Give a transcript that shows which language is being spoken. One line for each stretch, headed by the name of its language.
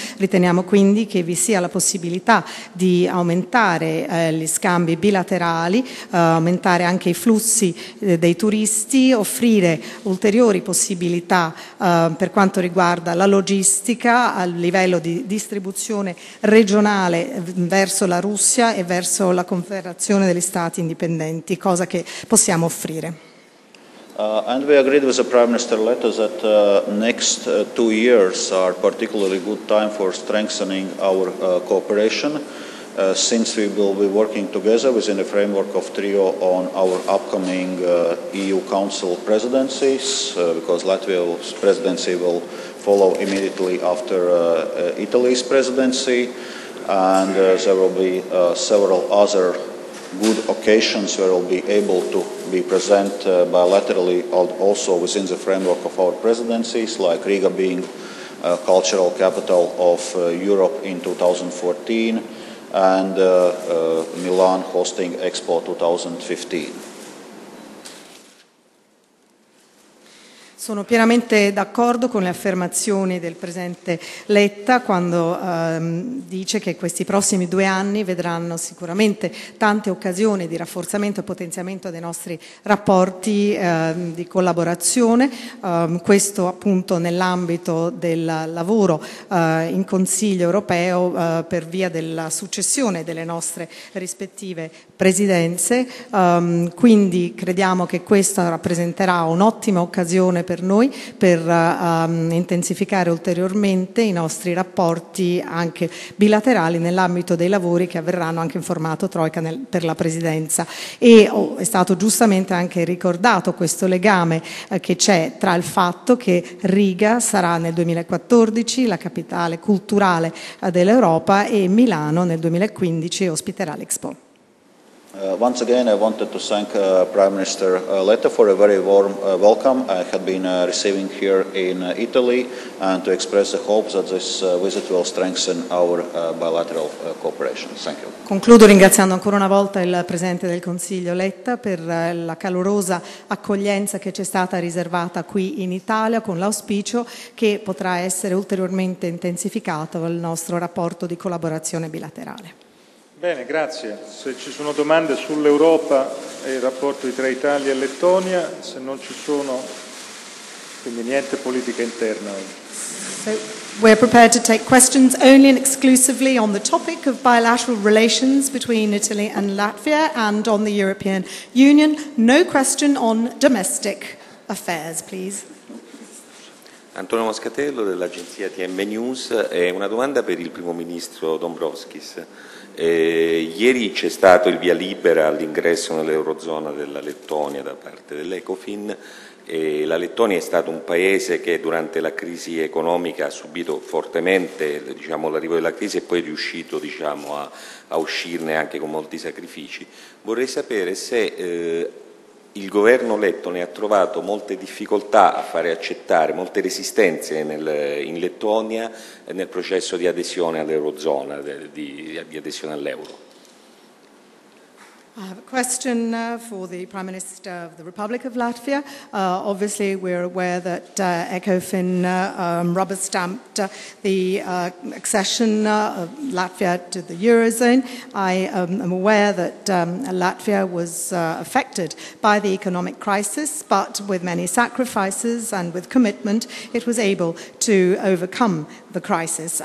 Italian: Riteniamo quindi che vi sia la possibilità di aumentare gli scambi bilaterali, aumentare anche i flussi dei turisti, offrire ulteriori possibilità per quanto riguarda la logistica a livello di distribuzione regionale verso la Russia e verso la Confederazione degli Stati Indipendenti, cosa che possiamo offrire.
English: And we agreed with the Prime Minister Letta that next 2 years are particularly good time for strengthening our cooperation, since we will be working together within the framework of TRIO on our upcoming EU Council presidencies, because Latvia's presidency will follow immediately after Italy's presidency. And there will be several other good occasions where we'll be able to be present bilaterally and also within the framework of our presidencies, like Riga being cultural capital of Europe in 2014 and Milan hosting Expo 2015.
Italian: Sono pienamente d'accordo con le affermazioni del Presidente Letta quando dice che questi prossimi 2 anni vedranno sicuramente tante occasioni di rafforzamento e potenziamento dei nostri rapporti di collaborazione, questo appunto nell'ambito del lavoro in Consiglio europeo per via della successione delle nostre rispettive presidenze, quindi crediamo che questa rappresenterà un'ottima occasione per noi per intensificare ulteriormente i nostri rapporti anche bilaterali nell'ambito dei lavori che avverranno anche in formato Troika per la presidenza. E è stato giustamente anche ricordato questo legame che c'è tra il fatto che Riga sarà nel 2014 la capitale culturale dell'Europa e Milano nel 2015 ospiterà l'Expo.
English: Once again, I wanted to thank Prime Minister Letta for a very warm welcome I had been receiving here in Italy, and to express the hope that this visit will strengthen our bilateral cooperation. Thank you.
Italian: Concludo ringraziando ancora una volta il Presidente del Consiglio Letta per la calorosa accoglienza che ci è stata riservata qui in Italia, con l'auspicio che potrà essere ulteriormente intensificato il nostro rapporto di collaborazione bilaterale. Bene, grazie. Se ci sono domande sull'Europa e i rapporti tra Italia e Lettonia, se non ci sono, quindi niente politica interna.
English: So we're prepared to take questions only and exclusively on the topic of bilateral relations between Italy and Latvia and on the European Union. No question on domestic affairs, please.
Italian: Antonio Moscatello dell'agenzia TM News, è una domanda per il primo ministro Dombrovskis. Ieri c'è stato il via libera all'ingresso nell'Eurozona della Lettonia da parte dell'Ecofin. La Lettonia è stato un paese che durante la crisi economica ha subito fortemente, diciamo, l'arrivo della crisi e poi è riuscito, diciamo, a uscirne anche con molti sacrifici. Vorrei sapere se il governo lettone ha trovato molte difficoltà a fare accettare, molte resistenze in Lettonia nel processo di adesione all'Eurozona, di adesione all'euro.
English: I have a question for the Prime Minister of the Republic of Latvia. Obviously, we're aware that ECOFIN rubber stamped the accession of Latvia to the Eurozone. I am aware that Latvia was affected by the economic crisis, but with many sacrifices and with commitment, it was able to overcome the crisis.